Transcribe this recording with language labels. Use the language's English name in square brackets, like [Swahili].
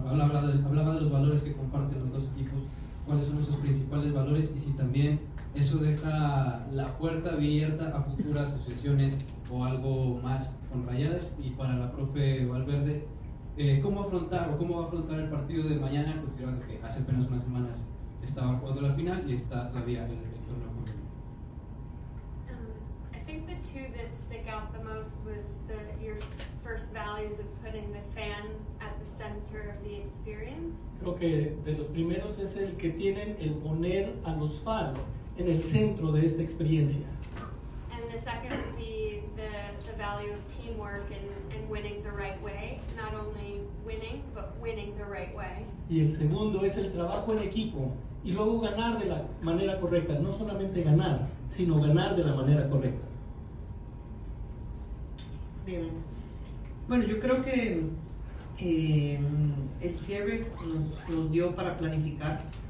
[Spanish] Hablaba de los valores que comparten los dos equipos. ¿Cuáles son esos principales valores y si también eso deja la puerta abierta a futuras asociaciones o algo más con Rayadas? Y para la profe Valverde, ¿cómo afrontar o cómo va a afrontar el partido de mañana, considerando que hace apenas unas semanas estaba jugando la final y está todavía en el torneo? [English] I think the two that stick out the most was your first values of putting the fan at the center of the experience. [Spanish] Creo que de los primeros es el que tienen el poner a los fans en el centro de esta experiencia. [English] And the second would be the value of teamwork and winning the right way, not only winning, but winning the right way. [Spanish] Y el segundo es el trabajo en equipo y luego ganar de la manera correcta, no solamente ganar, sino ganar de la manera correcta. Bien. Bueno, yo creo que el cierre nos dio para planificar.